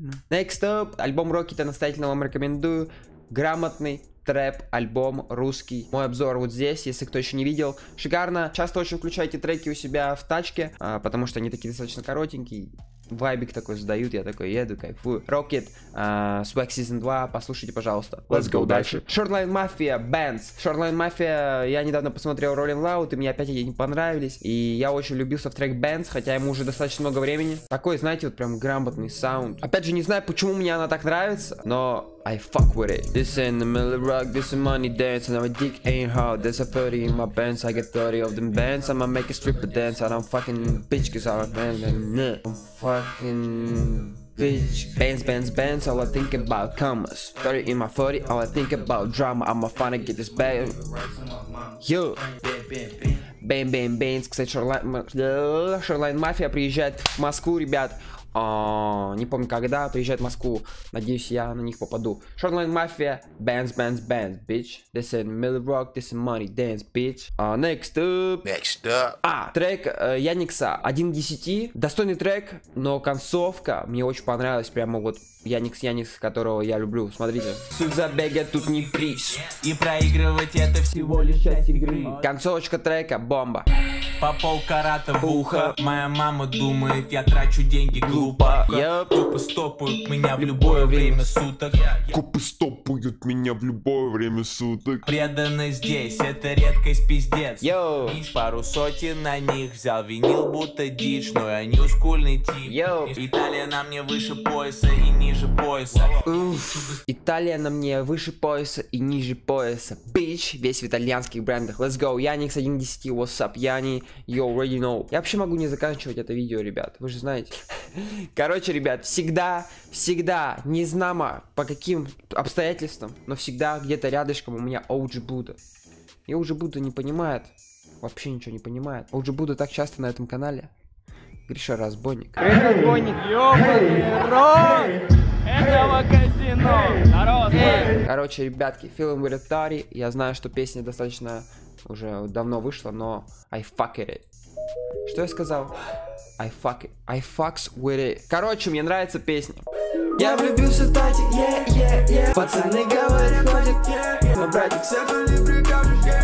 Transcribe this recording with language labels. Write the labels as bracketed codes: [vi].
[en] Next up, [ru] альбом Rocket, настоятельно вам рекомендую. Грамотный трэп-альбом русский. Мой обзор вот здесь, если кто еще не видел. Шикарно. Часто очень включайте треки у себя в тачке, потому что они такие достаточно коротенькие. Вайбик такой задают, я такой еду, кайфую. Rocket, Swag Season 2, послушайте, пожалуйста. [en] Let's go дальше. [ru] Shoreline Mafia, Benz. Shoreline Mafia, я недавно посмотрел Rolling Loud, и мне опять они понравились. И я очень влюбился в трек Benz, хотя ему уже достаточно много времени. Такой, знаете, вот прям грамотный саунд. Опять же, не знаю, почему мне она так нравится, но... [en] I fuck with it. This ain't the Miller rock, this is money dance. And my dick ain't hard, there's a 30 in my pants. I get 30 of them bands, I'ma make a stripper dance. And I'm fucking bitch, cause I'm a man. I'm fucking bitch. Bands, bands, bands, all I think about commas. 30 in my 40, all I think about drama. I'ma finally get this bag. Yo. Bam, bam, bands. [ru] Кстати, Shoreline Mafia приезжает в Москву, ребят. Не помню когда, приезжает в Москву. Надеюсь, я на них попаду. Shoreline Mafia, Benz, Benz, Benz, bitch. [en] This is Miller Rock, this is Money Dance, bitch. Next up. Next up. [ru] Трек Яникса 1/10. Достойный трек, но концовка мне очень понравилась. Прямо вот Яникс, которого я люблю. Смотрите. Суть забега тут не прич. И проигрывать это всего лишь часть игры. Концовочка трека, бомба. По полкарата в ухо. Моя мама думает, я трачу деньги глупо. Купы стопают меня в любое время суток. Купы стопают меня в любое время суток. Преданность здесь, это редкость, пиздец. Пару сотен на них взял, винил будто диш. Но я не ускульный тип. Италия на мне выше пояса и ниже пояса. Италия на мне выше пояса и ниже пояса. Бич, весь в итальянских брендах. [en] Let's go, Яникс 1/10, what's up, Яни. You already know. [ru] Я вообще могу не заканчивать это видео, ребят. Вы же знаете. Короче, ребят, всегда, незнамо по каким обстоятельствам, но всегда где-то рядышком у меня OG Buddha. И OG Buddha не понимает. Вообще ничего не понимает. OG Buddha так часто на этом канале. Гриша Разбойник. Разбойник, ёбаный рот! Этого казино! Короче, ребятки, feeling with Atari. Я знаю, что песня достаточно... Уже давно вышло, но [en] I fuck it. [ru] Что я сказал? [en] I fuck it. I fucks with it. [ru] Короче, мне нравится песня. Я влюбился в тати, пацаны говорят, хватит, но братик, все ты не прикажешь,